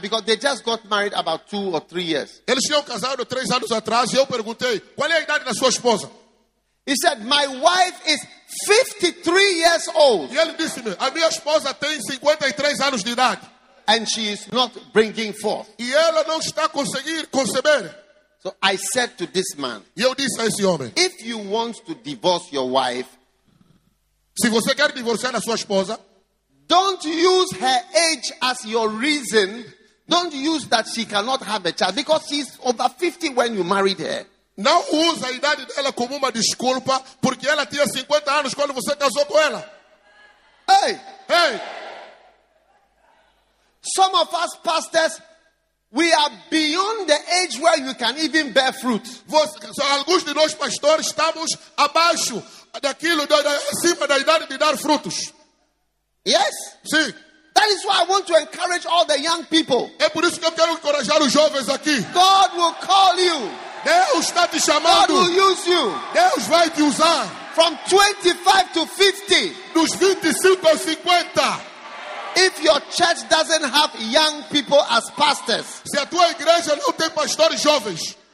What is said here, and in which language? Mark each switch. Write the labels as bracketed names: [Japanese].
[English] Because they just got married about 2 or 3 years. [Portuguese] Eles tinham casado 3 anos atrás e eu perguntei, qual é a idade da sua esposa? [English] He said, my wife is 53 years old. [Portuguese] E ele disse-me, a minha esposa tem 53 anos de idade. [English] And she is not bringing forth. [Portuguese] E ela não está conseguindo conceber. [English] So I said to this man, [Portuguese] e eu disse a esse homem, [English] if you want to divorce your wife, [Portuguese] se você quer divorciar a sua esposa, [English] don't use her age as your reason. Don't use that she cannot have a child, because she's over 50 when you married her. [Portuguese] Não use a idade dela como uma desculpa, porque ela tinha 50 anos quando você casou com ela. Ei! Ei! [English] Some of us pastors, we are beyond the age where you can even bear fruit. [Portuguese] Alguns de nós pastores estamos abaixo daquilo, acima da idade de dar frutos. [English] Yes? [Portuguese] Sim. [English] That is why I want to encourage all the young people. [Portuguese] É por isso que eu quero encorajar os jovens aqui. [English] God will call you. [Portuguese] Deus está te chamando. [English] God will use you. [Portuguese] Deus vai te usar. [English] From 25 to 50. [Portuguese] Dos 25 aos 50. [English] If your church doesn't have young people as pastors, [Portuguese] se a tua igreja não tem pastores jovens,